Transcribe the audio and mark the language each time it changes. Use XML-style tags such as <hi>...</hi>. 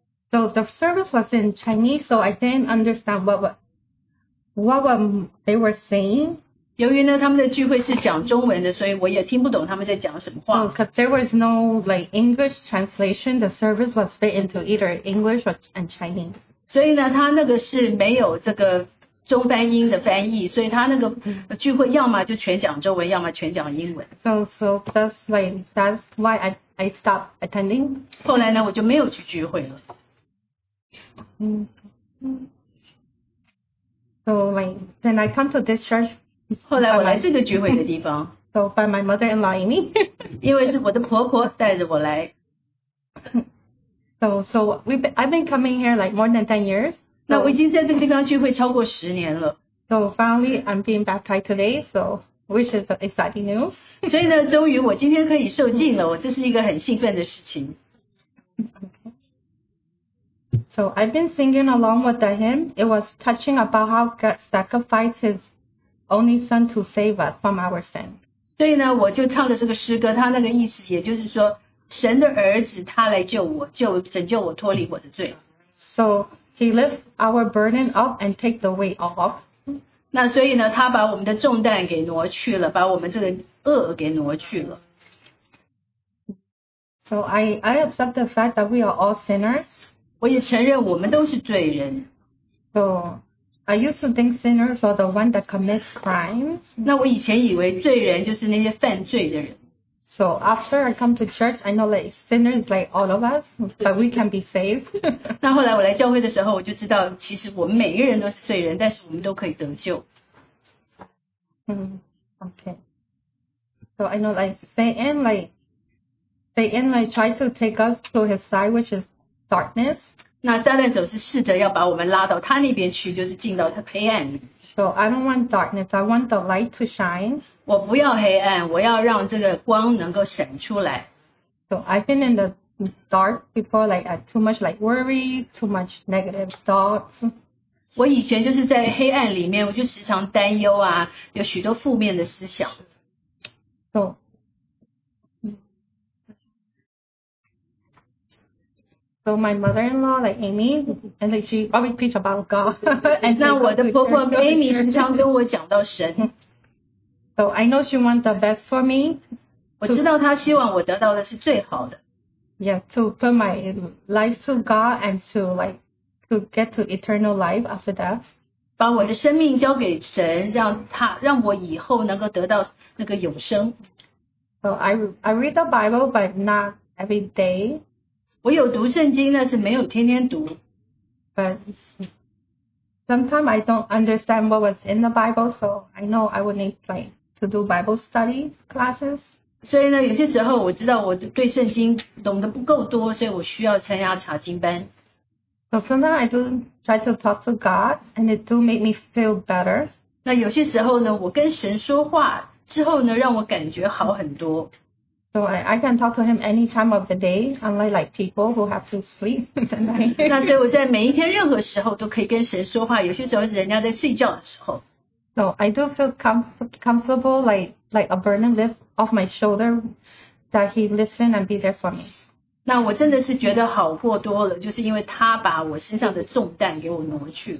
<en>So the service was in Chinese, so I didn't understand what they were saying.</en> <zh>由于呢，他们的聚会是讲中文的，所以我也听不懂他们在讲什么话。</zh> <en>Because there was no like English translation, the service was split into either English and Chinese.</en> <zh>所以呢，他那个是没有这个中翻英的翻译，所以他那个聚会要么就全讲中文，要么全讲英文。</zh> <en>So that's like that's why I stopped attending.</en> <zh>后来呢，我就没有去聚会了。</zh> <en>So like, then I come to this church.</en> <zh>后来我来这个聚会的地方。</zh> <en>So by my mother-in-law Amy.</en> <zh>因为是我的婆婆带着我来。</zh> <en>So I've been coming here like more than 10 years.</en> <zh>So, 那我已经在这个地方聚会超过十年了。</zh> <en>So finally, I'm being baptized today, so which is exciting news.</en> <zh>所以呢，终于我今天可以受浸了，我这是一个很兴奋的事情。</zh> <en>So I've been singing along with the hymn. It was touching about how God sacrificed His only Son to save us from our sin.</en> <zh>所以呢，我就唱了这个诗歌，它那个意思也就是说，神的儿子他来救我，救拯救我脱离我的罪。</zh> <en>So He lifts our burden up and takes the weight off.</en> <zh>那所以呢，他把我们的重担给挪去了，把我们这个恶给挪去了。</zh> <en>So I accept the fact that we are all sinners.</en> <zh>我也承认我们都是罪人。</zh> <en>So, I used to think sinners are the one that commit crimes.</en> <zh>那我以前以为罪人就是那些犯罪的人。</zh> <en>So, after I come to church, I know that sinners are like all of us, but we can be saved.</en> <zh>那后来我来教会的时候，我就知道其实我们每个人都是罪人，但是我们都可以得救。</zh> <en>Okay. So, I know like Satan like try to take us to his side, which is,Darkness.</en> <zh>那撒旦总是试着要把我们拉到他那边去，就是进到他黑暗。</zh> <en>So I don't want darkness. I want the light to shine.</en> <zh>我不要黑暗，我要让这个光能够闪出来。</zh> <en>So I've been in the dark before, like too much like worry, too much negative thoughts.</en> <zh>我以前就是在黑暗里面，我就时常担忧啊，有许多负面的思想。</zh> <en>So my mother-in-law, like Amy, and like she always preach about God. And</en> <zh>那我的婆婆 Amy 时常跟我讲到神。</zh> <en>So I know she wants the best for me.</en> <zh>我知道她希望我得到的是最好的。</zh> <en>Yeah, to put my life to God and to like to get to eternal life after death.</en> <zh>把我的生命交给神，让他让我以后能够得到那个永生。</zh> <en>So I read the Bible, but not every day.</en> <zh>我有读圣经，但是没有天天读。</zh> <en>But sometimes I don't understand what was in the Bible, so I know I would need like to do Bible study classes.</en> <zh>所以呢，有些时候我知道我对圣经懂得不够多，所以我需要参加查经班。</zh> <en>So sometimes I do try to talk to God, and it do make me feel better.</en> <zh>那有些时候呢，我跟神说话之后呢，让我感觉好很多。</zh> <en>So I can talk to him any time of the day, unlike like people who have to sleep tonight.</en> <zh>那所以我在每一天任何时候都可以跟神说话，有些时候人家在睡觉的时候。</zh> <en>So I do feel comfortable like a burden lift off my shoulder that he listen and be there for me.</en> <zh>那我真的是觉得好过多了，就是因为他把我身上的重担给我挪去了。</zh>